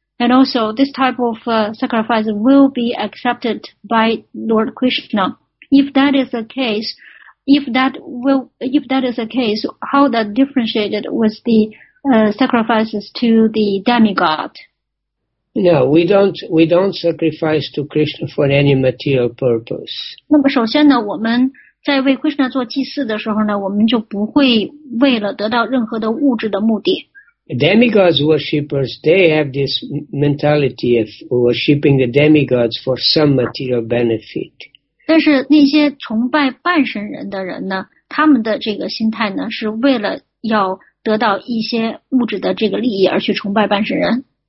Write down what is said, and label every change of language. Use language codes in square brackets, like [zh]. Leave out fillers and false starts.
[en] And also, this type of sacrifice will be accepted by Lord Krishna. If that is the case, how that differentiated with the sacrifices to the demigod? No, we don't sacrifice to Krishna for any material purpose. [zh] 那么首先呢，我们在为 Krishna 做祭祀的时候呢，我们就不会为了得到任何的物质的目的。 [en] Demigods worshippers, they have this mentality of worshipping the demigods for some material benefit. [zh] 但是那些崇拜半神人的人呢，他们的这个心态呢，是为了要得到一些物质的这个利益而去崇拜半神人。